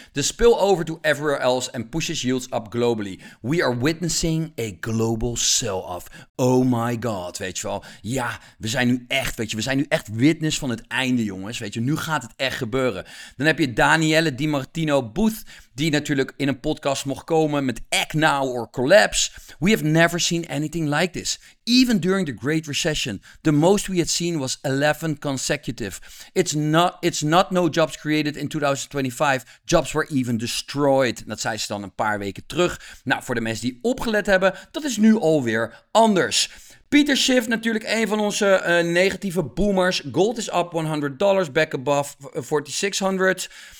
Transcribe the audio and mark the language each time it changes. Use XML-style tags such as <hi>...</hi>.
<en>The spillover to everywhere else and pushes yields up globally. We are witnessing a global sell-off. Oh my god,</en> <nl>weet je wel. Ja, we zijn nu echt, weet je, we zijn nu echt witness van het einde, jongens. Weet je, nu gaat het echt gebeuren. Dan heb je Danielle Di Martino Booth, die natuurlijk in een podcast mocht komen met Act Now or Collapse.</nl> <en>We have never seen anything like this. Even during the Great Recession, the most we had seen was 11 consecutive. It's not no jobs created in 2025. Jobs were even destroyed.</en> <nl>Dat zei ze dan een paar weken terug. Nou, voor de mensen die opgelet hebben, dat is nu alweer anders. Peter Schiff, natuurlijk een van onze negatieve boomers.</nl> <en>Gold is up $100, back above 4600.</en>